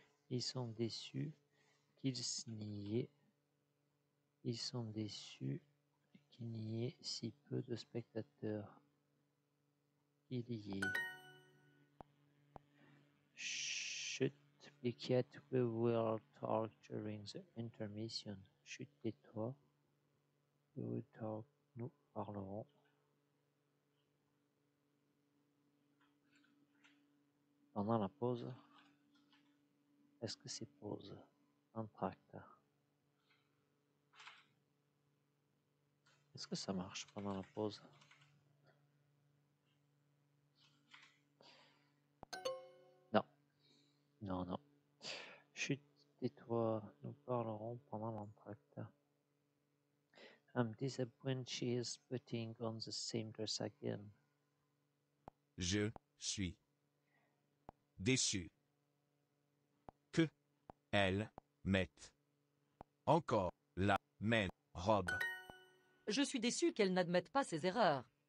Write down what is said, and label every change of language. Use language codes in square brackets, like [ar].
[fr] Ils sont déçus qu'il n'y ait si peu de spectateurs. Il y est. [en] Chut, Piquette, we will talk during the intermission. [fr] Chut, tais-toi. [en] We will talk, [fr] nous parlerons. Pendant la pause, est-ce que c'est pause? Un tracteur. Est-ce que ça marche pendant la pause? Non. Non, non. Chut, tais-toi, nous parlerons pendant l'entracte. [en] I'm disappointed she is putting on the same dress again. [fr] Je suis déçu que elle mette encore la même robe. Je suis déçu qu'elle n'admette pas ses erreurs.